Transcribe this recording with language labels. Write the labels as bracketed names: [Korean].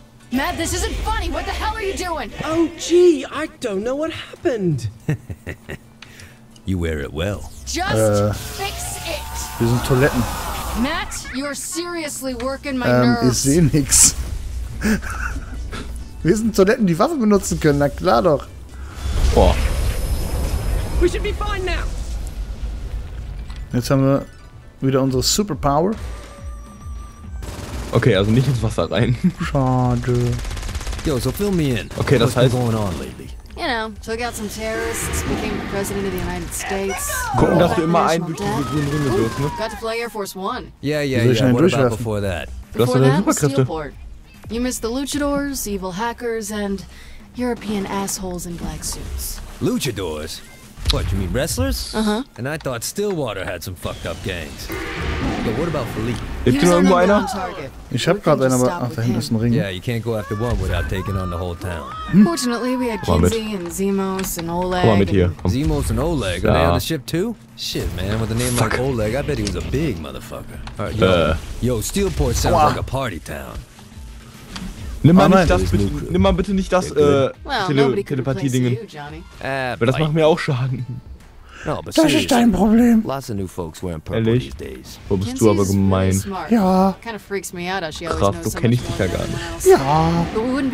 [English] Matt, this isn't funny. What the hell are you doing? Oh, gee, I don't know what happened. You wear it well. Just fix it. [German] Wir sind Toiletten. [English] Matt, you're seriously working my nerves. [German] Ich sehe nix. Wir sind Toiletten, die Waffe benutzen können, na klar doch. Boah. [English] We should be fine now. [German] Jetzt haben wir wieder unsere Superpower. Okay, also nicht ins Wasser rein. Schade. [English] Yo, so fill me in. [German] Okay, das heißt... [English] What's been going on lately? You know, took out some terrorists, became the president of the United States. [German] Gucken, dass du immer ein durch die grünen Ringe wirst, ne? [English] Got to fly Air Force One. Yeah. What about before that? [German] Du hast deine Superkräfte. [English] You missed the luchadors, evil hackers, and European assholes in black suits. Luchadors? What, you mean wrestlers? Uh-huh. And I thought Stillwater had some fucked up gangs. But what about Philippe? [German] Ist hier irgendwo einer? Ich hab grad einen, aber... Ach, da hinten ist ein Ring. [English] Yeah, you can't go after one without taking on the whole town. Fortunately, we had Kinsey and Zemos and Oleg. [German] Komm mit hier. [English] Zemos and Oleg? Are they on the ship too? Shit, man, with a name like Oleg, I bet he was a big motherfucker. Yo, Steelport sounds like a party town. [German] Nimm mal, nicht das, Telepathie-Dingen. Weil das macht mir auch Schaden. Das ist dein Problem. Ehrlich? Wo bist du aber gemein? Ja. Krass, so kenne ich dich ja gar nicht.